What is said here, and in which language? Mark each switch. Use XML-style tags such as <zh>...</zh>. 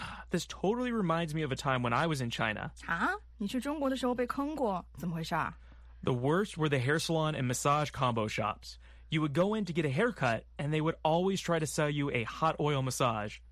<en>This totally reminds me of a time when I was in China. Huh?</en> <zh>你去中国的时候被坑过，怎么回事啊？</zh> <en>The worst were the hair salon and massage combo shops. You would go in to get a haircut, and they would always try to sell you a hot oil massage.</en>